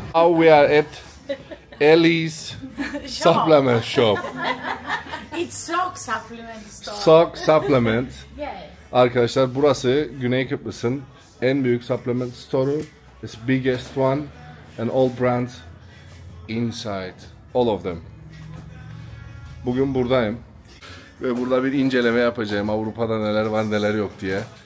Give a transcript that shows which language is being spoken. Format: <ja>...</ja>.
<en>Now we are at Ellie's supplement shop. It's sock supplement store. Sock supplement. Yes.</en> <tr>Arkadaşlar burası Güney Kıbrıs'ın en büyük supplement store'u.</tr> <en>It's biggest one and all brands inside. All of them.</en> <tr>Bugün buradayım. Ve burada bir inceleme yapacağım. Avrupa'da neler var neler yok diye.</tr>